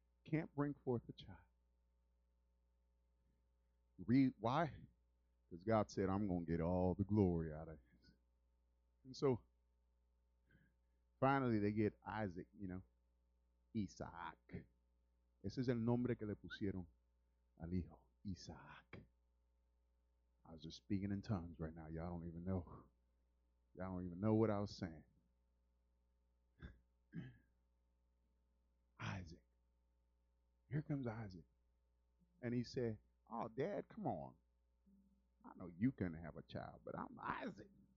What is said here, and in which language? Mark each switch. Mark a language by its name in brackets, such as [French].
[English] Can't bring forth a child. Why? Because God said, I'm going to get all the glory out of it. And so, finally they get Isaac, you know, Isaac. [Spanish] Ese es el nombre que le pusieron al hijo, Isaac. [English] I was just speaking in tongues right now. Y'all don't even know. Y'all don't even know what I was saying. Isaac. Here comes Isaac. And he said, oh, Dad, come on. I know you couldn't have a child, but I'm Isaac.